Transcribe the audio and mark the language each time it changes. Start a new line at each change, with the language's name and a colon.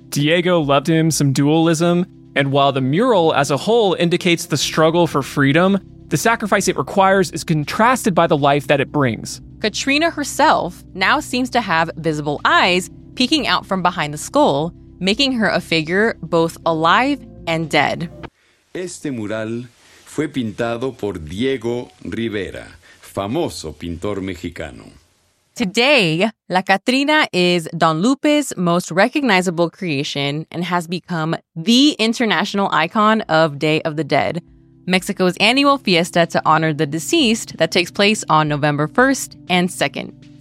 English: Diego loved him some dualism, and while the mural as a whole indicates the struggle for freedom, the sacrifice it requires is contrasted by the life that it brings. Katrina herself now seems to have visible eyes peeking out from behind the skull, making her a figure both alive and dead.
Spanish: Este mural fue pintado por Diego Rivera, famoso pintor mexicano.
English: Today, La Catrina is Don Lupe's most recognizable creation and has become the international icon of Day of the Dead, Mexico's annual fiesta to honor the deceased that takes place on November 1st and 2nd.